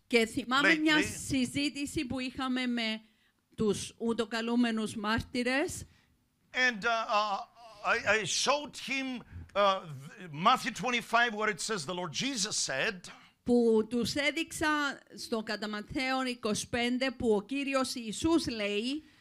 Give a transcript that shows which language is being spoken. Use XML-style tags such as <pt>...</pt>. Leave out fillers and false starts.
<el>Και θυμάμαι μια συζήτηση που είχαμε με τους ούτοκαλούμενους μάρτυρες.</el> <en>And I showed him Matthew 25 where it says the Lord Jesus said.</en> <el>που τους έδειξα στο κατά Ματθαίον 25 που ο Κύριος Ιησούς λέει.</el>